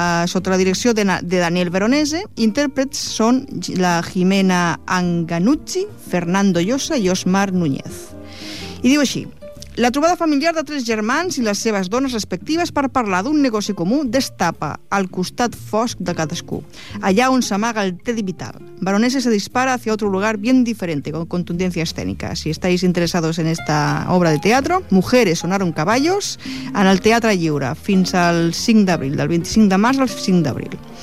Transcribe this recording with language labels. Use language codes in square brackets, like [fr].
[ca] Sota la direcció de Daniel Veronese, intèrprets són la Jimena Anganucci, Fernando Llosa i Osmar Núñez. I diu així: la trobada familiar de tres germans i les seves dones respectives per parlar d'un negoci comú destapa el costat fosc de cadascú, allà on s'amaga el Teddy Vital. [es] Veronese se dispara hacia otro lugar bien diferente, con contundencia escénica. Si estáis interesados en esta obra de teatro, Mujeres sonaron caballos, en el Teatre Lliure, [ca] fins al 5 d'abril, [es] del 25 de març al 5 d'abril.